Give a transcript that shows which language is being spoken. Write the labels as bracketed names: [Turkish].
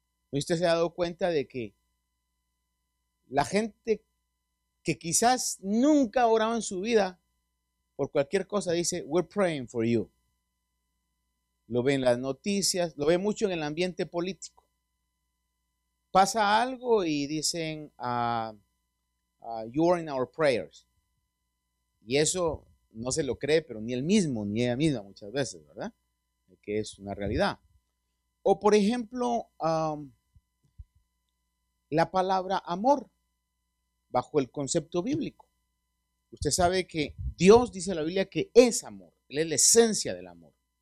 [Spanish] Usted se ha dado cuenta de que la gente que quizás nunca ha orado en su vida, por cualquier cosa dice, [English] we're praying for you. [Spanish] Lo ve en las noticias, lo ve mucho en el ambiente político. Pasa algo y dicen, [English] you're in our prayers. [Spanish] Y eso no se lo cree, pero ni él mismo, ni ella misma muchas veces, ¿verdad? Que es una realidad. O por ejemplo, la palabra amor, bajo el concepto bíblico. Usted sabe que Dios, dice la Biblia, que es amor. Él es la esencia del amor.